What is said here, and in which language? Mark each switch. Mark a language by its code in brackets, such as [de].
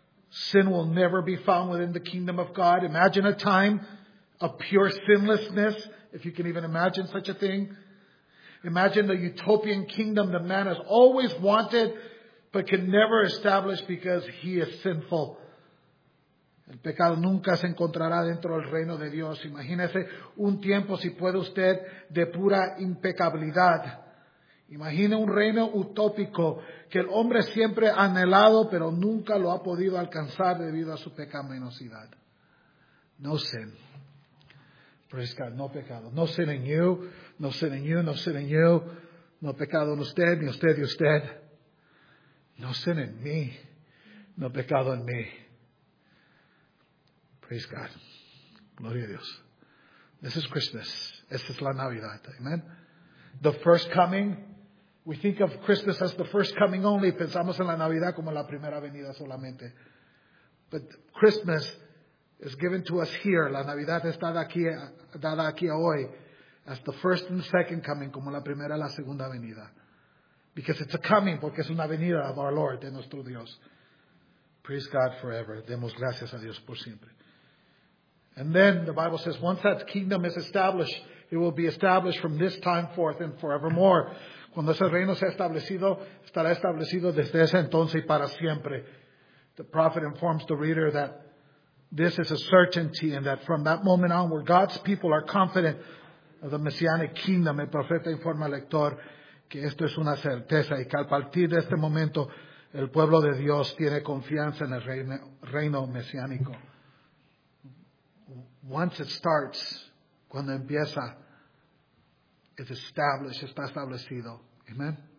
[en] Sin will never be found within the kingdom of God. Imagine a time of pure sinlessness, if you can even imagine such a thing. Imagine the utopian kingdom that man has always wanted but can never establish because he is sinful. [es] El pecado nunca se encontrará dentro del reino de Dios. Imagínese un tiempo, si puede usted, de pura impecabilidad. Imagine un reino utópico que el hombre siempre ha anhelado pero nunca lo ha podido alcanzar debido a su pecaminosidad. [en] No sin. Praise God, [es] no pecado. [en] No sin en you, no sin en you, no sin en you. [es] No pecado en usted, ni usted, ni usted. No sin en me, no pecado en me. [en] Praise God. [es] Gloria a Dios. [en] This is Christmas. [es] Esta es la Navidad. Amen. [en] The first coming. We think of Christmas as the first coming only. [es] Pensamos en la Navidad como la primera venida solamente. [en] But Christmas is given to us here. [es] La Navidad está dada aquí hoy. [en] As the first and second coming, [es] como la primera y la segunda venida. [en] Because it's a coming, [es] porque es una venida [en] of our Lord, [es] de nuestro Dios. [en] Praise God forever. [es] Demos gracias a Dios por siempre. [en] And then the Bible says, once that kingdom is established, it will be established from this time forth and forevermore. [es] Cuando ese reino sea establecido, estará establecido desde ese entonces y para siempre. [en] The prophet informs the reader that this is a certainty and that from that moment onward, God's people are confident of the messianic kingdom. [es] El profeta informa al lector que esto es una certeza y que al partir de este momento, el pueblo de Dios tiene confianza en el reino mesiánico. [en] Once it starts, [es] cuando empieza, [en] it's established, [es] está establecido. [en] Amen.